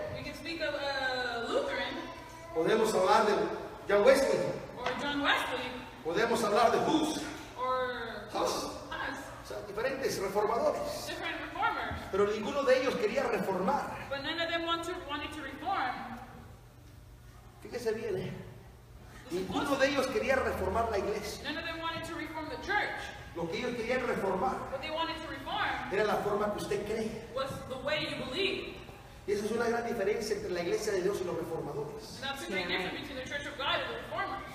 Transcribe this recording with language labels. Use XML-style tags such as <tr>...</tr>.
<en>We can speak of Lutheran.</en> <es>Podemos hablar de John Wesley.</es> <en>Or John Wesley.</en> <es>Podemos hablar de Hus.</es> <en>Or Hus. Hus.</en> <es>O sea, diferentes reformadores.</es> <en>Different reformers.</en> <es>Pero ninguno de ellos quería reformar.</es> <en>But none of them wanted to reform.</en> <es>Fíjese bien, Ninguno de ellos quería reformar la iglesia.</es> <en>None of them wanted to reform the church.</en> <es>Lo que ellos querían reformar.</es> <en>What they wanted to reform.</en> <es>Era la forma que usted cree.</es> <en>Was the way you believe.</en> <es>Y esa es una gran diferencia entre la iglesia de Dios y los reformadores.</es> <en>And that's a great difference between the church of God and the reformers.</en>